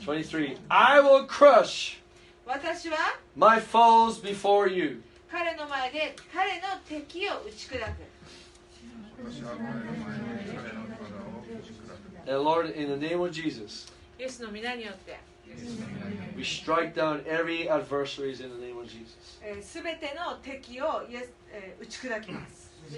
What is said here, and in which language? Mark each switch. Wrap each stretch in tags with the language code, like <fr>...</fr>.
<en>23. I will crush</en> <ja>私は</ja> <en>my foes before you.</en> <ja>彼の前で彼の敵を打ち砕く。</ja> <en>And Lord, in the name of Jesus,</en> <ja>イエスの御名によって</ja> <en>We strike down every adversary in the name of Jesus.</en> <ja>すべての敵を打ち砕きます。</ja>